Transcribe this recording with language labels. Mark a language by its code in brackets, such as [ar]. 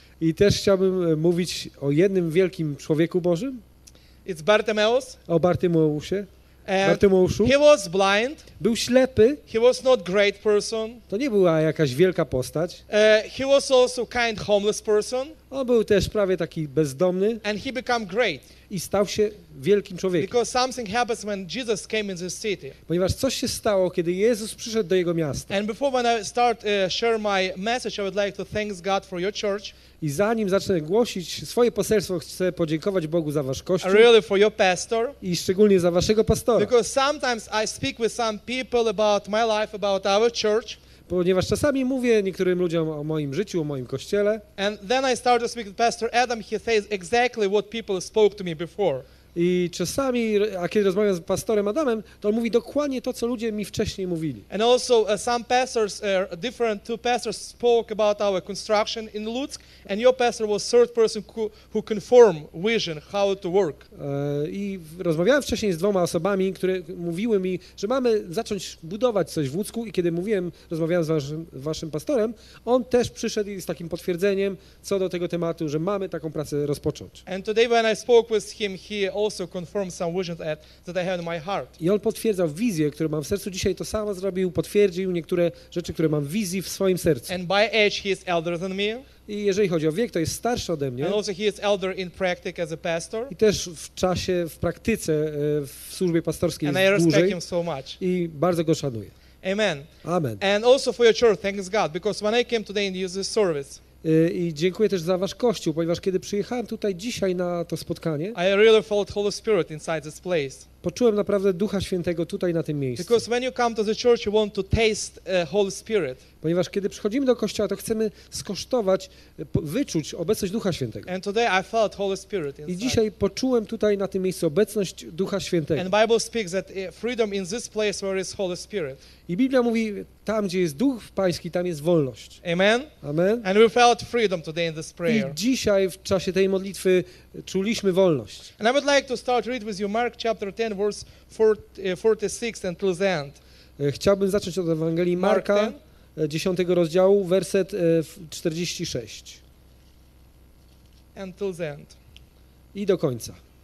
[pl] I też chciałbym mówić o jednym wielkim człowieku Bożym. [en] It's Bartimaeus. [pl] O Bartimeuszu. Bartimeuszu. [en] He was blind. [pl] Był ślepy. [en] He was not great person. [pl] To nie była jakaś wielka postać. [en] He was also kind homeless person. [pl] On był też prawie taki bezdomny. [en] And he became great. [pl] I stał się wielkim człowiekiem. [en] Because something happens when Jesus came in this city. [pl] Ponieważ coś się stało, kiedy Jezus przyszedł do jego miasta. [en] And before when I start share my message, I would like to thank God for your church. [pl] I zanim zacznę głosić swoje poselstwo, chcę podziękować Bogu za wasz kościół. [en] Really for your pastor. [pl] I szczególnie za waszego pastora. [en] Because sometimes I speak with some people about my life, about our church. [pl] Ponieważ czasami mówię niektórym ludziom o moim życiu, o moim kościele. [en] And then I start to speak with Pastor Adam, he says exactly what people spoke to me before. [pl] I czasami, a kiedy rozmawiam z pastorem Adamem, to on mówi dokładnie to, co ludzie mi wcześniej mówili. [en] And also some pastors, different two pastors spoke about our construction in Lutsk, and your pastor was third person who confirmed vision how to work. [pl] I rozmawiałem wcześniej z dwoma osobami, które mówiły mi, że mamy zacząć budować coś w Lutsku, i kiedy rozmawiałem z waszym pastorem, on też przyszedł z takim potwierdzeniem co do tego tematu, że mamy taką pracę rozpocząć. [en] And today when I spoke with him, he also confirm some visions that I have in my heart. [pl] I on potwierdzał wizję, którą mam w sercu. Dzisiaj to samo zrobił, potwierdził niektóre rzeczy, które mam w wizji w swoim sercu. [en] And by age he is elder than me. [pl] I jeżeli chodzi o wiek, to jest starszy ode mnie. [en] And also he is elder in practice as a pastor. [pl] I też w czasie, w praktyce, w służbie pastorskiej jest dłużej. [en] And I respect him so much. [pl] I bardzo go szanuję. [en] Amen. [pl] Amen. [en] And also for your church, thanks God, because when I came today and used this service, [pl] i dziękuję też za wasz kościół, ponieważ kiedy przyjechałem tutaj dzisiaj na to spotkanie, [en] I really felt Holy Spirit inside this place. [pl] Poczułem naprawdę Ducha Świętego tutaj na tym miejscu. [en] Because when you come to the church, you want to taste Holy Spirit. [pl] Ponieważ kiedy przychodzimy do kościoła, to chcemy skosztować, wyczuć obecność Ducha Świętego. [en] And today I felt Holy Spirit inside. [pl] I dzisiaj poczułem tutaj na tym miejscu obecność Ducha Świętego. [en] And Bible speaks that freedom in this place where is Holy Spirit. [pl] I Biblia mówi, tam gdzie jest Duch Pański, tam jest wolność. [en] Amen. [pl] Amen. [en] And we felt freedom today in this prayer. [pl] I dzisiaj w czasie tej modlitwy czuliśmy wolność. [en] And I would like to start read with you Mark chapter 10 verse 46 until the end. [pl] Chciałbym zacząć od Ewangelii Marka 10 rozdziału, werset 46. [en] Until the end. [pl] I do końca.